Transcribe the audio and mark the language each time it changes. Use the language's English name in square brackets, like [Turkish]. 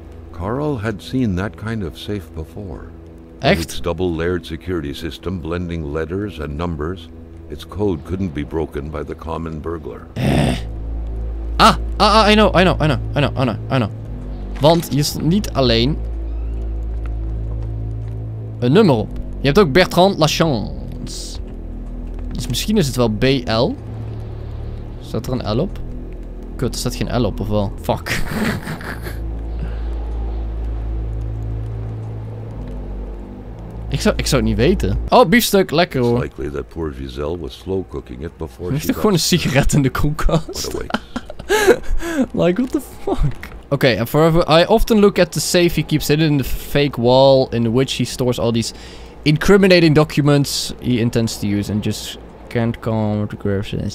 [English] Carl had seen that kind of safe before. [Dutch] Echt? [English] Its double layered security system blending letters and numbers. Its code couldn't be broken by the common burglar. I know. [Dutch] Want je stond niet alleen een nummer op. Je hebt ook Bertrand Lachance. Dus misschien is het wel BL. Staat er een L op? Kut, er staat geen L op, of wel? Fuck. Ik zou het niet weten. Oh, biefstuk. Lekker hoor. Hij heeft toch gewoon een sigaret in de koelkast? [English] Like, what the fuck? Oké, okay, and forever. I often look at the safe he keeps hidden in the fake wall in which he stores all these incriminating documents he intends to use and just can't come to grips.